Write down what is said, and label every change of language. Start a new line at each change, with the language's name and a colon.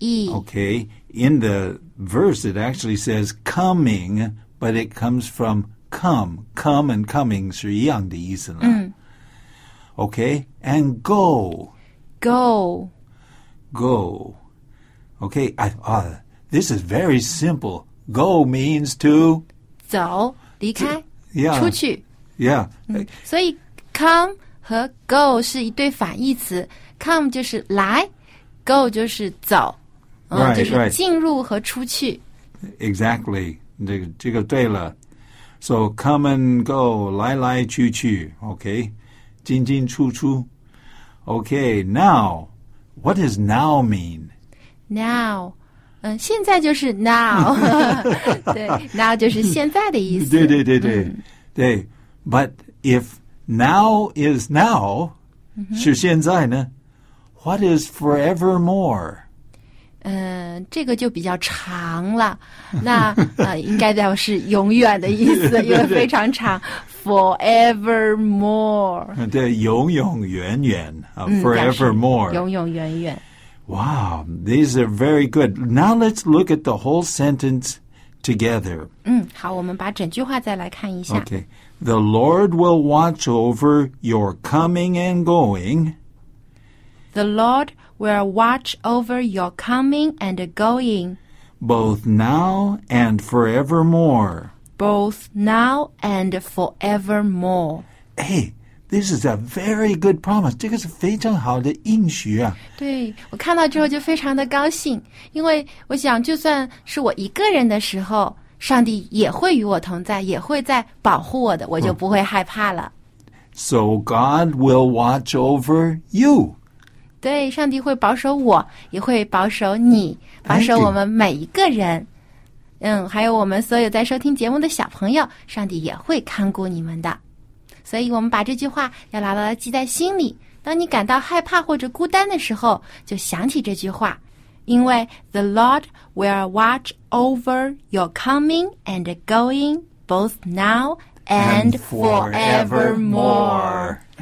English: Okay, in the verse it actually says coming, but it comes from come, come and coming
Chinese: 是一样的意思呢。
English: Okay, and go. Go. Go. Okay, this is very simple. Go means to...
Chinese: 走,离开,
English: yeah,
Chinese: 出去。
English: Yeah.
Chinese: 所以 come 和 go 是一对反义词。 Come 就是来, go 就是走。
English: Right,
Chinese: 就是进入和出去。 Exactly. 这个对了。
English: So come and go,
Chinese: 来来去去,
English: okay?
Chinese: 进进出出。
English: Okay, now, what does now mean?
Chinese: Now, 现在就是 now. 对 ,now 就是现在的意思。对对对对。对 ,
English: but if now is now,、
Chinese: mm-hmm. 是现在呢 ,
English: what is forevermore?
Chinese: 这个就比较长了。那应该表示永远的意思因为非常长。
English: forevermore.
Chinese: 对永永远远、forevermore. 永永远远。
English: Wow, these are very good. Now let's look at the whole sentence together.
Chinese: 好我们把整句话再来看一下。
English: Okay. The Lord will watch over your coming and going. The Lord will watch over your coming and going. Both now and forevermore. Both now and forevermore. Hey. This is a very good promise.
Chinese: 这个是非常好的应许啊。对，我看到之后就非常的高兴，因为我想，就算是我一个人的时候，上帝也会与我同在，也会在保护我的，我就不会害怕了。
English: So God will watch over you.
Chinese: 对，上帝会保守我，也会保守你，保守我们每一个人。还有我们所有在收听节目的小朋友，上帝也会看顾你们的。所以我们把这句话要牢牢地记在心里。当你感到害怕或者孤单的时候，就想起这句话，因为
English: The Lord will watch over your coming and going both now and forevermore.